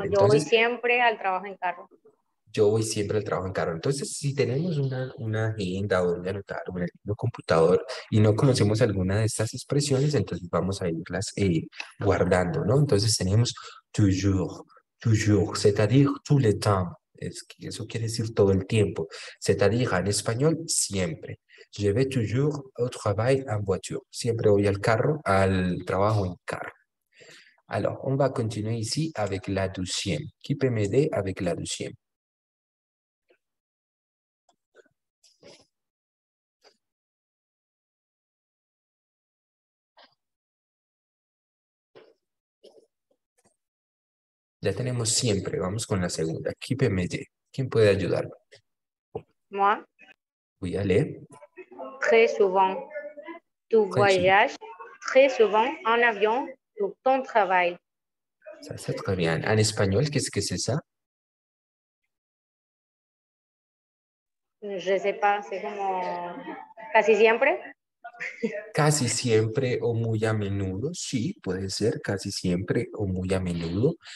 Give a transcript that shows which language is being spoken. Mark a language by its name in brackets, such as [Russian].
[Spanish] Bueno, entonces, yo voy siempre al trabajo en carro. Yo voy siempre al trabajo en carro. Entonces, si tenemos una agenda donde anotar un computador y no conocemos alguna de estas expresiones, entonces vamos a irlas guardando, ¿no? Entonces tenemos [French] toujours, c'est-à-dire tout le temps. [Spanish] Es que eso quiere decir todo el tiempo. [French] C'est-à-dire [Spanish] en español, siempre. [French] Je vais toujours au travail en voiture. [Spanish] Siempre voy al trabajo en carro. [French] Alors, on va continuer ici avec la deuxième. Qui peut m'aider avec la deuxième? [Spanish] Ya tenemos siempre. Vamos con la segunda. [French] Qui peut m'aider? [Spanish] ¿Quién puede ayudarme? [French] Moi. Oui, allez. Très souvent. Tu voyages très souvent en avion pour ton travail. Ça, c'est très bien. [Spanish] En español, ¿qué es que [French] c'est ça? Je sais pas. C'est [Spanish] como casi siempre. Casi siempre o muy a menudo, sí, puede ser casi siempre o muy a menudo.